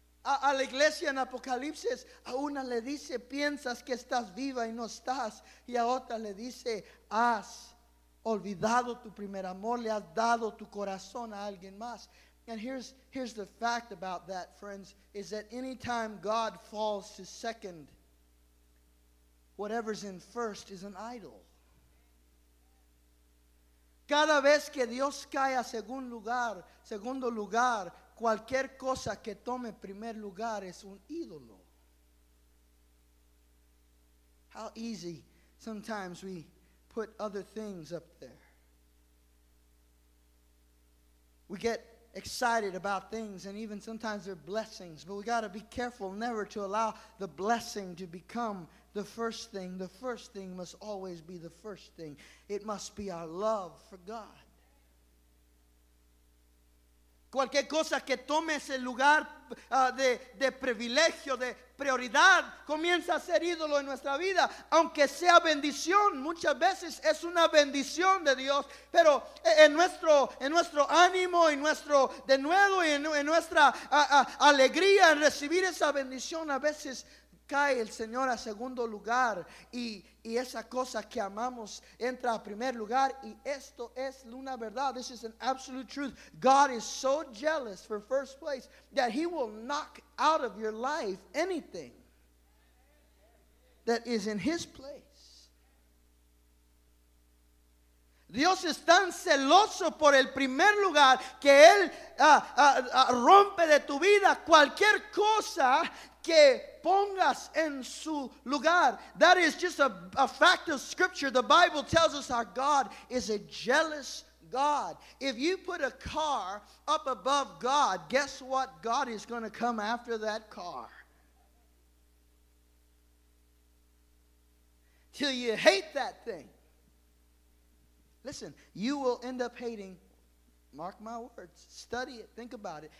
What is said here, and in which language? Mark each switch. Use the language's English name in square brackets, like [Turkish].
[Spanish] A la iglesia en Apocalipsis, a una le dice, piensas que estás viva y no estás. Y a otra le dice, has olvidado tu primer amor, le has dado tu corazón a alguien más. [English] And here's the fact about that, friends, is that anytime God falls to second, whatever's in first is an idol. [Spanish] Cada vez que Dios cae a segundo lugar, cualquier cosa que tome primer lugar es un ídolo. [English] How easy sometimes we put other things up there. We get excited about things, and even sometimes they're blessings, but we got to be careful never to allow the blessing to become the first thing. The first thing must always be the first thing. It must be our love for God. [Spanish] Cualquier cosa que tome ese lugar de privilegio, de prioridad, comienza a ser ídolo en nuestra vida. Aunque sea bendición, muchas veces es una bendición de Dios, pero en nuestro ánimo y nuestro denuedo y en nuestra alegría en recibir esa bendición, a veces cae el Señor a segundo lugar y esa cosa que amamos entra a primer lugar. Y esto es una verdad. [English] This is an absolute truth. God is so jealous for first place that he will knock out of your life anything that is in his place. [Spanish] Dios es tan celoso por el primer lugar que él rompe de tu vida cualquier cosa que pongas en su lugar. [English] That is just a fact of scripture. The Bible tells us our God is a jealous God. If you put a car up above God, guess what? God is going to come after that car. Till you hate that thing. Listen, you will end up hating, mark my words, study it, think about it.